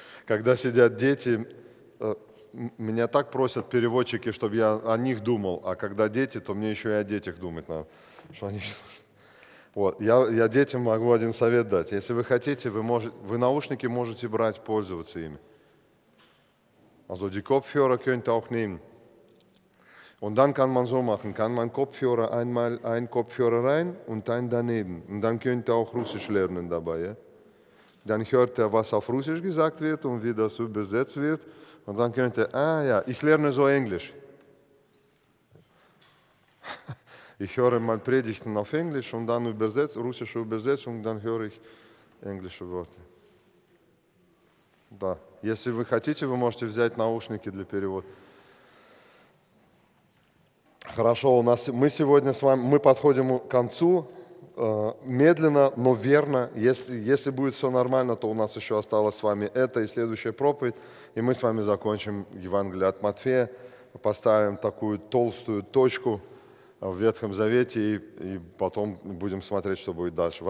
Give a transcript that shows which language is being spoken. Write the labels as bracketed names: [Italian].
[Russian] Когда сидят дети, меня так просят переводчики, чтобы я о них думал, а когда дети, то мне еще и о детях думать надо, что они слушают. Вот. Я детям могу один совет дать. Если вы хотите, вы наушники можете брать, пользоваться ими. [German] Also die Kopfhörer könnt ihr auch nehmen. Und dann kann man so machen, kann man Kopfhörer einmal ein Kopfhörer rein und dann daneben. Und dann könnt ihr auch Russisch lernen dabei. Ja? Dann hört er, was auf Russisch gesagt wird und wie das übersetzt wird. Und dann könnt ihr, ich lerne so Englisch. Ich höre mal Predigten auf Englisch und dann übersetzt, russische Übersetzung, dann höre ich englische Worte. [Russian] Да, если вы хотите, вы можете взять наушники для перевода. Хорошо, у нас мы сегодня с вами, мы подходим к концу, медленно, но верно. Если будет все нормально, то у нас еще осталось с вами это и следующая проповедь, и мы с вами закончим Евангелие от Матфея, поставим такую толстую точку в Ветхом Завете, и потом будем смотреть, что будет дальше.